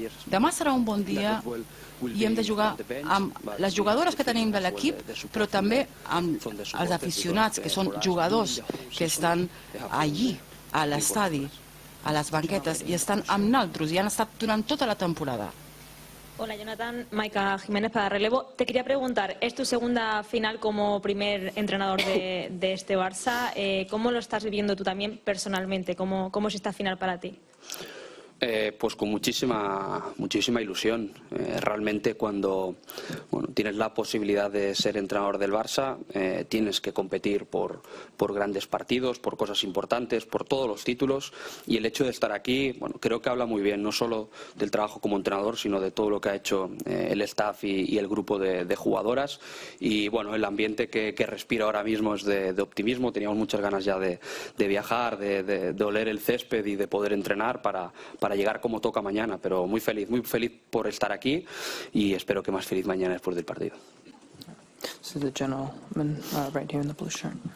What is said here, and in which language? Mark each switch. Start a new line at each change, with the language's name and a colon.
Catalan: Demà serà un bon dia i hem de jugar amb les jugadores que tenim de l'equip, però també amb els aficionats, que són jugadors que estan allí, a l'estadi, a les banquetes, i estan amb naltros i han estat durant tota la temporada.
Spanish: Hola, Jonathan. Maika Jiménez para Relevo. Te quería preguntar, es tu segunda final como primer entrenador de este Barça. ¿Cómo lo estás viviendo tú también personalmente? ¿Cómo es esta final para ti? Pues con muchísima ilusión. Realmente cuando tienes la posibilidad de ser entrenador del Barça, tienes que competir por grandes partidos, por cosas importantes, por todos los títulos, y el hecho de estar aquí, creo que habla muy bien, no solo del trabajo como entrenador, sino de todo lo que ha hecho el staff y el grupo de jugadoras. Y bueno, el ambiente que respiro ahora mismo es de optimismo. Teníamos muchas ganas ya de viajar, de oler el césped y de poder entrenar para llegar como toca mañana, pero muy feliz por estar aquí y espero que más feliz mañana después del partido.
English: This is the gentleman right here in the blue shirt.